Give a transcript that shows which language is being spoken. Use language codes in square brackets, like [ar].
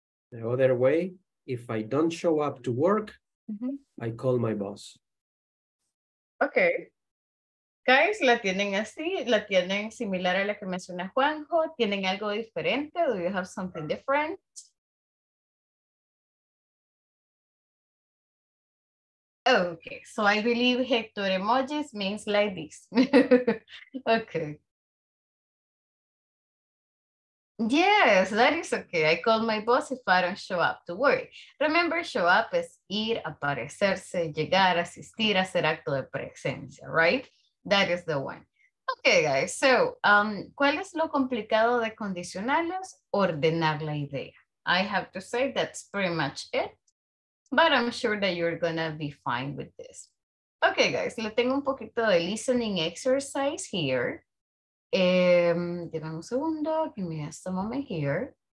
[en] The other way, if I don't show up to work, mm-hmm. I call my boss. Okay. [es] Guys, la tienen así, la tienen similar a la que menciona Juanjo. ¿Tienen algo diferente? Do you have something different? [en] Okay, so I believe Hector emojis means like this. Okay. Yes, that is okay. I call my boss if I don't show up to work. Remember, show up is ir, aparecerse, llegar, asistir, hacer acto de presencia, right? That is the one. [es] Okay, guys, so ¿cuál es lo complicado de condicionales? Ordenar la idea. [en] I have to say that's pretty much it. But I'm sure that you're gonna be fine with this. [es] Okay, guys, le tengo un poquito de listening exercise here. [en] Dame un segundo, give me just a moment here.